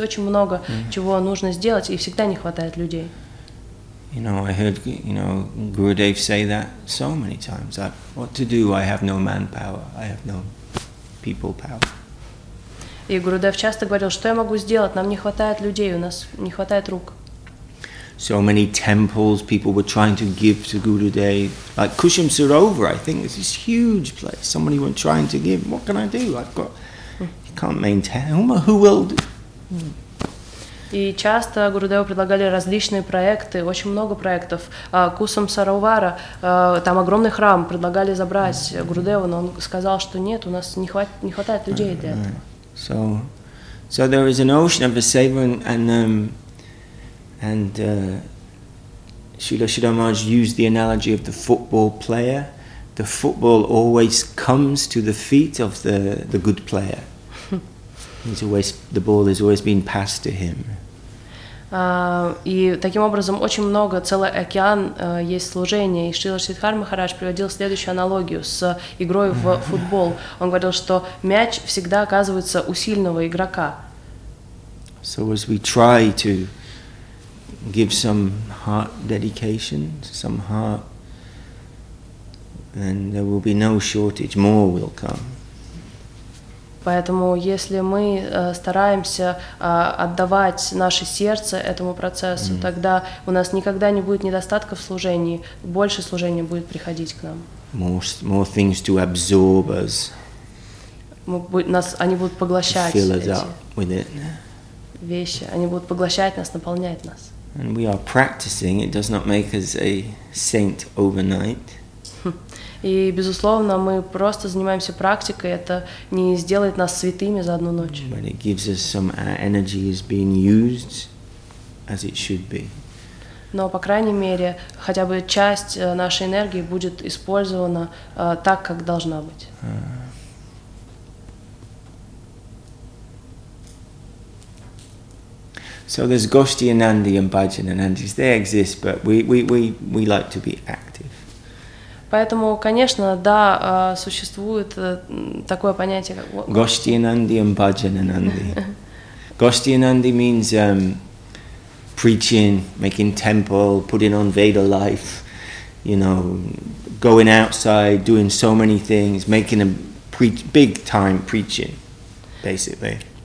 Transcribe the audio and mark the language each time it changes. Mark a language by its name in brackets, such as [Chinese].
[Russian] Очень много чего нужно сделать, и всегда не хватает людей. [English] You know, I heard Gurudev say that so many times. What to do? I have no manpower. I have no people power. [Russian] И Гурудев часто говорил, что я могу сделать? Нам не хватает людей, у нас не хватает рук. [English] So many temples people were trying to give to Gurudev. Like Kushim Sarovar, I think, is this huge place. Somebody was trying to give. What can I do? I've got... You can't maintain... Who will do? [Russian] И часто Гурудеву предлагали различные проекты, очень много проектов. Кусам Саровара, там огромный храм, предлагали забрать Гурудеву, но он сказал, что нет, у нас не хватает людей для этого. [English] So there is an ocean of Vasudeva and Srila Sridhara Maharaj used the analogy of the football player. The football always comes to the feet of the good player. The ball has always been passed to him. [Russian] И таким образом очень много, целый океан есть служение. И Шрила Шридхар Махарадж приводил следующую аналогию с игрой в футбол. Он говорил, что мяч всегда оказывается у сильного игрока. [English] So as we try to give some heart dedication, some heart And there will be no shortage, more will come. [Russian] Поэтому если мы стараемся отдавать наше сердце этому процессу, mm-hmm. тогда у нас никогда не будет недостатка в служении, больше служения будет приходить к нам. [English] More things to absorb us. [Russian] Они будут поглощать [English] fill us up with it. [Russian] Вещи. Они будут поглощать нас, наполнять нас. [English] And we are practicing, it does not make us a saint overnight. [Russian] И, безусловно, мы просто занимаемся практикой, это не сделает нас святыми за одну ночь. [English] But it gives us some energy is being used as it should be. [Russian] Но, по крайней мере, хотя бы часть нашей энергии будет использована так, как должна быть. [English] So there's Goshti Anandi and Bhajan Anandis. They exist, but we like to be active. [Russian] Поэтому, конечно, да, существует такое понятие, как... [English] Goshti Anandi and Bhajan Anandi. Goshti Anandi means preaching, making temple, putting on Veda life, you know, going outside, doing so many things, making a big time preaching, basically.